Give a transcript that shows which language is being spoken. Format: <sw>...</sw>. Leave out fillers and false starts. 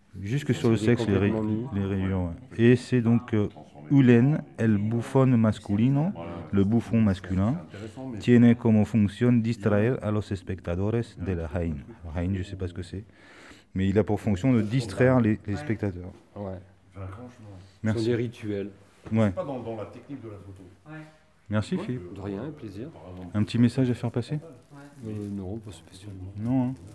<fr>Jusque sur le sexe les rayures. Ouais. Et c'est donc Ulen,</fr> <es>el bufón masculino,</es> <fr>le bouffon masculin,</fr> <es>tiene como función distraer a los espectadores de la Jaén.</es> <fr>Jaén, je ne sais pas ce que c'est, mais il a pour fonction de distraire les spectateurs. Ouais. Merci. C'est des rituels. Ouais. C'est pas dans la technique de la photo. Ouais. Merci, Philippe. De rien, plaisir. Un petit message à faire passer? Non, pas spécialement. Non, hein.</fr>